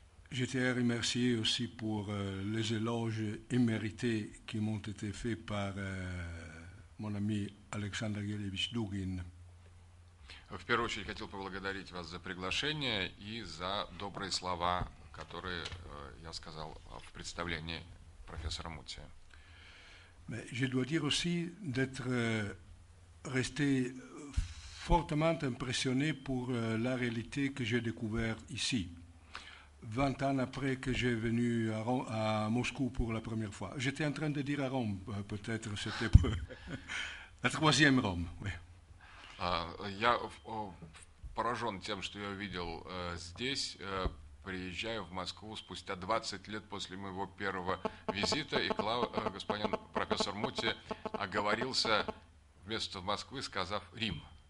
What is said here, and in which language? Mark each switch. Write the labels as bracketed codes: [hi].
[fr] Je tiens à remercier aussi pour les éloges immérités qui m'ont été faits par mon ami Alexander Yelievich Dugin. [ru] В первую очередь хотел поблагодарить вас за приглашение и за добрые слова, которые я сказал в представлении профессора Мути. [fr] Mais je dois dire aussi d'être resté fortement impressionné pour la réalité que j'ai découvert ici, 20 ans après que j'ai venu à Moscou pour la première fois. J'étais en train de dire à Rome, peut-être c'était la troisième Rome, oui. [ru] Я поражен тем, что я увидел здесь, приезжая в Москву спустя 20 лет после моего первого визита, и господин профессор Мути оговорился вместо Москвы, сказав Рим.